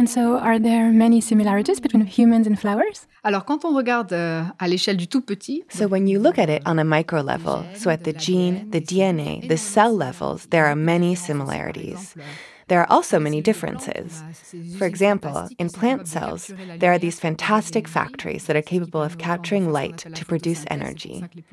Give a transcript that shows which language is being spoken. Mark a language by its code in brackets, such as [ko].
[en] And so, are there many similarities between humans and flowers? [fr] Alors, quand on regarde à l'échelle du tout petit. [en] So, when you look at it on a micro level, so at the gene, the DNA, the cell levels, there are many similarities. there are also many differences. For example, in plant cells, there are these fantastic factories that are capable of capturing light to produce energy.